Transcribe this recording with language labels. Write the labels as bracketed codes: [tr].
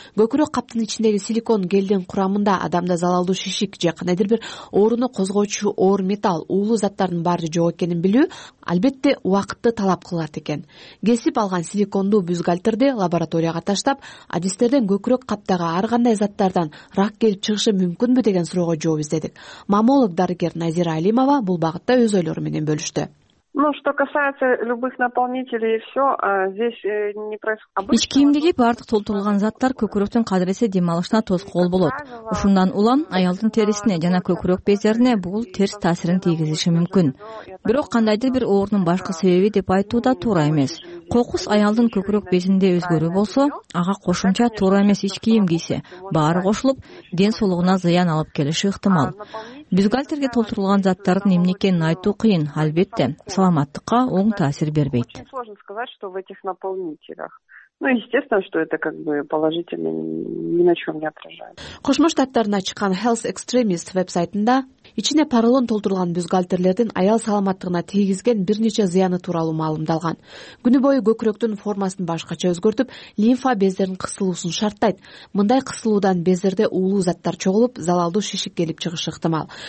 [ky] Көкүрөк каптын ичиндеги силикон гелдин курамында адамда залалдуу шишик же кандайдыр бир ооруну козгоочу оор металл, уулуу заттардын баары жок экенин билүү албетте убакытты талап кылат экен. Кесип алган силикондуу бюстгальтерди лабораторияга таштап, адистерден көкүрөк каптагы ар кандай заттардан рак келип чыгышы мүмкүнбү деген суроого жооп издедик. Маммолог дарыгер Назира Алимова бул багытта өз ойлору менен бөлүштү. [ru] Ну, что касается любых наполнителей и все, здесь не происходит. [ky] Ич кийимдеги бардык толтурулган заттар көкүрөктүн кадыресе демалышына тоскоол болот. Ушундан улам аялдын терисине жана көкүрөк бездерине бул терс таасирин тийгизиши мүмкүн. Бирок кандайдыр бир оорунун башка себеби деп айтуу да туура эмес. Кокус аялдын көкүрөк безинде өзгөрүү болсо, ага кошумча туура эмес ич кийим кийсе, баары кошулуп, ден соолугуна зыян алып келиши ыктымал. Бюстгальтерге толтурулган заттардын эмне экенин айтуу кыйын, албетте. Саламаттыкка оң таасир бербейт. [ru] Сложно сказать, что в этих наполнителях. Ну, естественно, что это как бы положительно ни на чём не отражает. [ky] Кошмо штаттарына чыккан Health Extremist вебсайтында ичине поролон толтурулган бюстгальтерлердин аял саламаттыгына тийгизген бир нече зыяны тууралуу маалымдалган. Күнү бою көкүрөктүн формасын башкача өзгөртүп, лимфа бездеринин кысылуусун шарттайт. Мындай кысылуудан бездерде уулуу заттар чогулуп, залалдуу шишик келип чыгышы ыктымал.